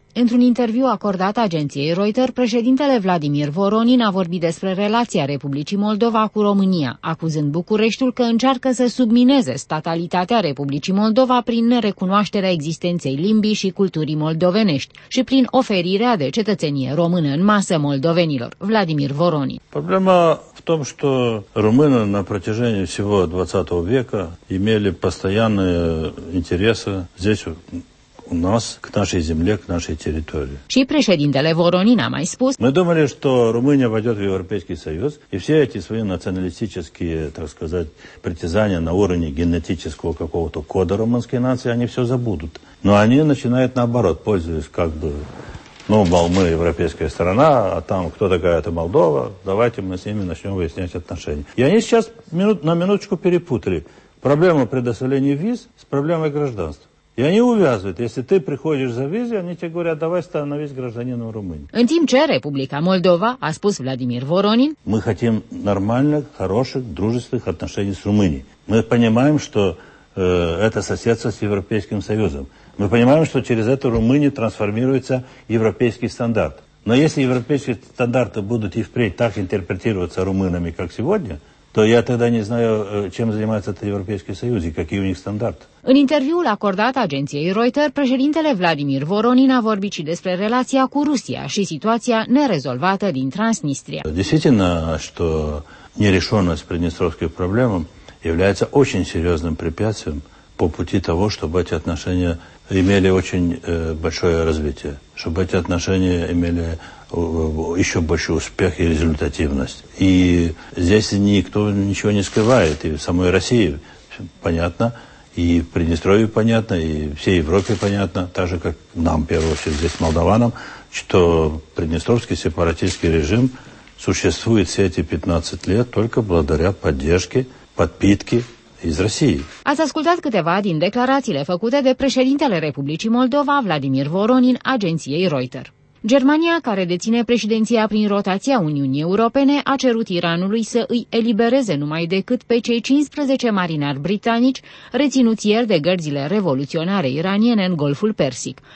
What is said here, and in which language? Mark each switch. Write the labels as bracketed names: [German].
[Romanian] Într-un interviu acordat agenției Reuters, președintele Vladimir Voronin a vorbit despre relația Republicii Moldova cu România, acuzând Bucureștiul că încearcă să submineze statalitatea Republicii Moldova prin nerecunoașterea existenței limbii și culturii moldovenești și prin oferirea de cetățenie română în masă moldovenilor. Vladimir Voronin. Problema [Russian] в том, что румыны на протяжении всего 20 века имели постоянные интересы здесь у нас, к нашей земле, к нашей территории. [Romanian] Și președintele Voronin a mai spus: [Russian] Мы думали, что Румыния войдет в Европейский Союз, и все эти свои националистические, так сказать, притязания на уровне генетического какого-то кода румынской нации, они все забудут. Но они начинают наоборот, пользуясь как бы, ну, мол, мы европейская страна, а там кто такая это Молдова, давайте мы с ними начнем выяснять отношения. И они сейчас на минуточку перепутали проблему предоставления виз с проблемой гражданства. И они увязывают. Если ты приходишь за визой, они тебе говорят, давай становись гражданином Румынии. [Romanian] În timp ce Republica Moldova, a spus Vladimir Voronin, [Russian] мы хотим нормальных, хороших, дружественных отношений с Румынией. Мы понимаем, что это соседство с Европейским Союзом. Мы понимаем, что через это Румыния трансформируется в европейский стандарт. Но если европейские стандарты будут и впредь так интерпретироваться румынами, как сегодня, то я тогда не знаю, чем занимается этот Европейский Союз и какие у них стандарты. [Romanian] În interviul acordat agenției Reuters, președintele Vladimir Voronin a vorbit și despre relația cu Rusia și situația nerezolvată din Transnistria. [Russian] Действительно, что нерешенность приднестровских проблем является очень серьезным препятствием по пути того, чтобы эти отношения имели очень большое развитие, чтобы эти отношения имели еще больше успех и результативность. И здесь никто ничего не скрывает, и в самой России понятно, и в Приднестровье понятно, и всей Европе понятно, так же, как нам, в первую очередь, здесь, молдаванам, что приднестровский сепаратистский режим существует все эти 15 лет только благодаря поддержке, подпитке из России. [Romanian] Ați ascultat câteva din declarațiile făcute de președintele Republicii Moldova, Vladimir Voronin, agenției Reuters. Germania, care deține președinția prin rotația Uniunii Europene, a cerut Iranului să îi elibereze numai decât pe cei 15 marinari britanici reținuți ieri de gărzile revoluționare iraniene în Golful Persic.